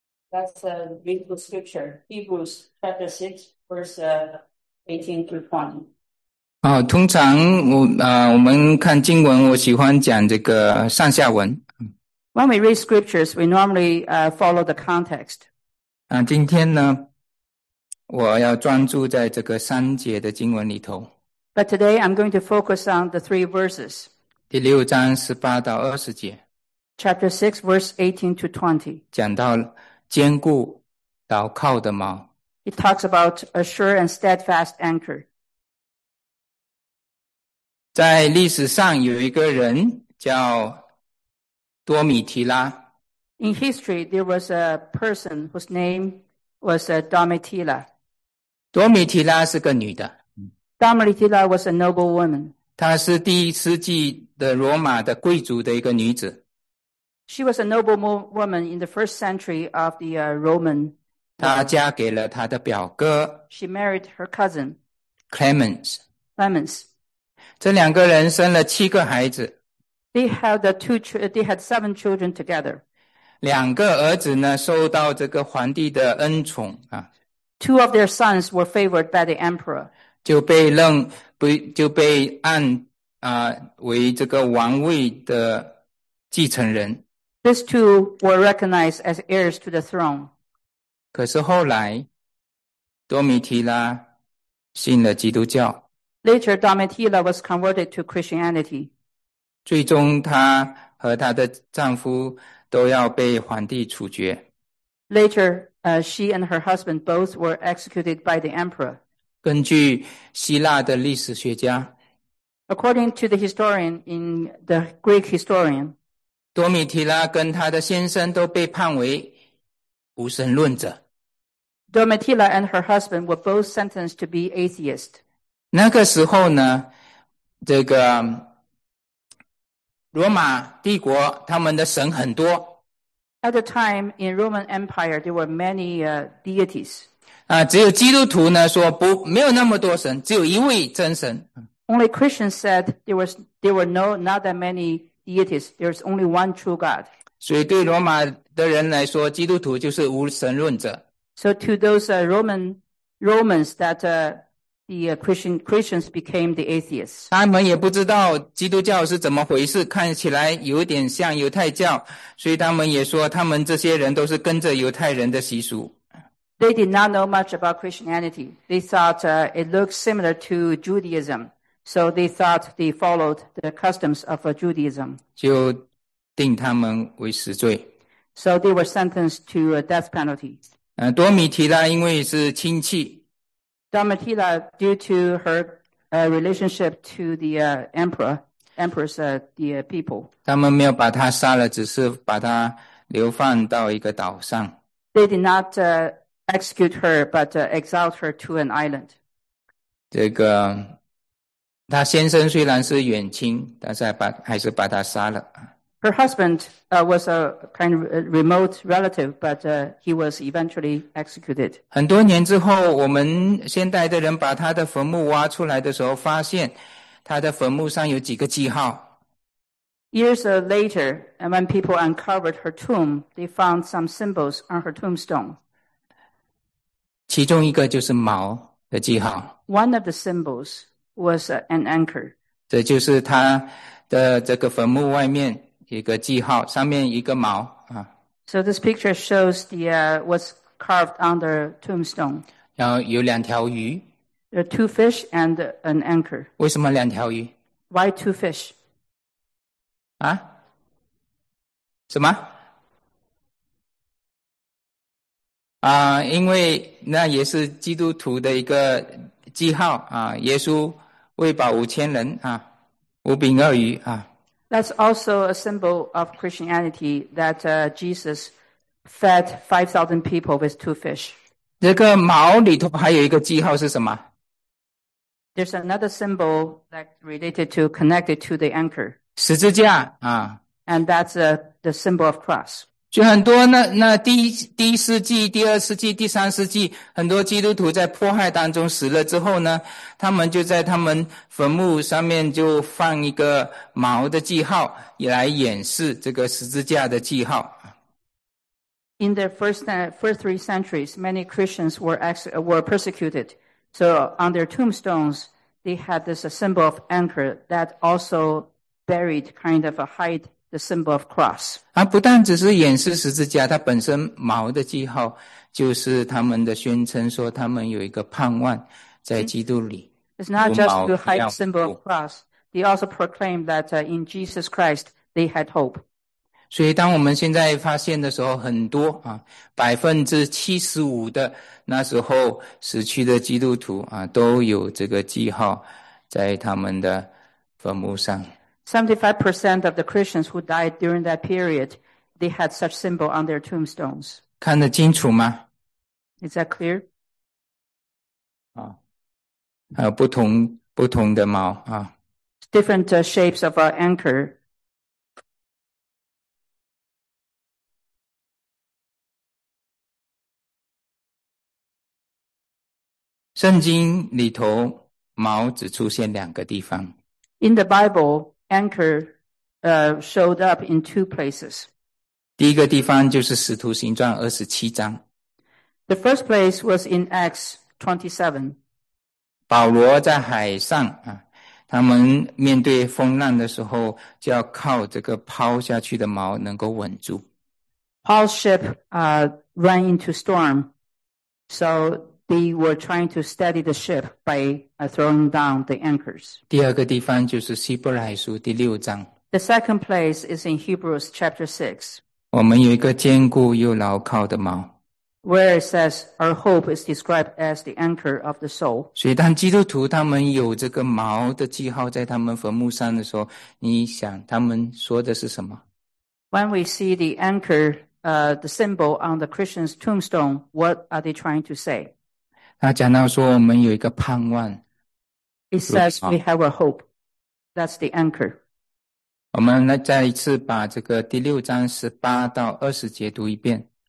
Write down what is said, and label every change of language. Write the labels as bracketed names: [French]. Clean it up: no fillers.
[English] That's a beautiful scripture. Hebrews chapter 6, verse 18-20. [Chinese] 通常我们看经文，我喜欢讲这个上下文。 [English] When we read scriptures, we normally follow the context. [Chinese] 今天呢，我要专注在这个三节的经文里头。 [English] But today I'm going to focus on the three verses. [Chinese] 第六章十八到二十节。 [English] Chapter 6, verse 18-20. [Chinese] 讲到坚固祷告的锚。 [English] It talks about a sure and steadfast anchor. [Chinese] 在历史上有一个人叫多米提拉。 [English] In history, there was a person whose name was Domitila. [Chinese] 多米提拉是个女的。 [English] Domitila was a noble woman. [Chinese] 她是第一世纪的罗马的贵族的一个女子。 [English] She was a noble woman in the first century of the Roman. [Chinese] 她嫁给了她的表哥。 [English] She married her cousin. Clemens. [Chinese] 这两个人生了七个孩子。 [English] They had seven children together. [Chinese] 两个儿子呢受到这个皇帝的恩宠啊。 [English] Two of their sons were favored by the emperor. [Chinese] 就被按为这个王位的继承人。 [English] These two were recognized as heirs to the throne. [Chinese] 可是后来多米提拉信了基督教。 [English] Later, Domitila was converted to Christianity. [Chinese] 最终她和她的丈夫都要被皇帝处决。 [English] Later, she and her husband both were executed by the emperor. [Chinese] 根据希腊的历史学家。 [English] According to the historian, in the Greek historian, [Chinese] 多米提拉跟她的先生都被判为无神论者。 [English] Domitila and her husband were both sentenced to be atheist. [Chinese] 那个时候呢，这个罗马帝国他们的神很多。 [English] At the time in Roman Empire, there were many deities. [Chinese] 只有基督徒呢说不，没有那么多神，只有一位真神。 [English] Only Christians said there were not that many deities. There is only one true God. [Chinese] 所以对罗马的人来说，基督徒就是无神论者。 [English] So to those Romans that Christians became the atheists. [Chinese] 他们也不知道基督教是怎么回事，看起来有点像犹太教，所以他们也说他们这些人都是跟着犹太人的习俗。 [English] They did not know much about Christianity. They thought it looked similar to Judaism. So they thought they followed the customs of Judaism. [Chinese] 就定他们为死罪。 [English] So they were sentenced to a death penalty. [Chinese] 多米提拉因为是亲戚。 [English] Domitila, due to her relationship to the emperor's people. [Chinese] 他们没有把他杀了，只是把他流放到一个岛上。 [English] They did not execute her, but exiled her to an island. [Chinese] 这个他先生虽然是远亲，但是还是把他杀了。 [English] Her husband was a kind of remote relative, but he was eventually executed. [Chinese] 很多年之后，我们现代的人把他的坟墓挖出来的时候，发现他的坟墓上有几个记号。 [English] Years later, and when people uncovered her tomb, they found some symbols on her tombstone. [Chinese] 其中一个就是锚的记号。 [English] One of the symbols was an anchor. [Chinese] 这就是他的这个坟墓外面。一个记号，上面一个锚啊。 [English] So this picture shows the what's carved on the tombstone. [Chinese] 然后有两条鱼。 [English] There are two fish and an anchor. [Chinese] 为什么两条鱼 [English] ？Why two fish？ [Chinese] 啊？什么？因为那也是基督徒的一个记号啊。耶稣喂饱五千人啊，五饼二鱼啊。 [English] That's also a symbol of Christianity that Jesus fed 5,000 people with two fish. [Chinese] 这个锚里头还有一个记号是什么？ [English] There's another symbol that connected to the anchor. [Chinese] 十字架啊。 [English] And that's the symbol of cross. [Chinese] 就很多那第一世纪、第二世纪、第三世纪，很多基督徒在迫害当中死了之后呢，他们就在他们坟墓上面就放一个矛的记号，以来掩饰这个十字架的记号。 [English] In the first three centuries, many Christians were persecuted. So on their tombstones, they had this symbol of anchor that also buried kind of a hide the symbol of cross. [Chinese] 啊，不但只是掩饰十字架，它本身矛的记号就是他们的宣称，说他们有一个盼望在基督里。 [English] It's not just to hide the symbol of cross. They also proclaimed that in Jesus Christ they had hope. [Chinese] 所以当我们现在发现的时候，很多啊，75%的那时候死去的基督徒啊，都有这个记号在他们的坟墓上。 [English] 75% of the Christians who died during that period, they had such symbol on their tombstones. [Chinese] 看得清楚吗？ [English] Is that clear? [Chinese] 啊，还有不同的锚啊。 [English] Different shapes of our anchor. [Chinese] 圣经里头锚只出现两个地方。 [English] In the Bible, anchor showed up in two places. [Chinese] 第一个地方就是使徒行传27章。 [English] The first place was in Acts 27. [Chinese] 保罗在海上啊，他们面对风浪的时候，就要靠这个抛下去的锚能够稳住。 [English] Paul's ship ran into storm, so. They were trying to steady the ship by throwing down the anchors. [Chinese] 第二个地方就是希伯来书第六章。 [English] The second place is in Hebrews chapter 6. [Chinese] 我们有一个坚固又牢靠的锚。 [English] Where it says our hope is described as the anchor of the soul. [Chinese] 所以当基督徒他们有这个锚的记号在他们坟墓上的时候，你想他们说的是什么？ [English] When we see the anchor, the symbol on the Christian's tombstone, what are they trying to say? [Chinese] 他讲到说我们有一个盼望。 [English] It says we have a hope. That's the anchor. [Chinese] 我们来再一次把这个第六章18-20节读一遍。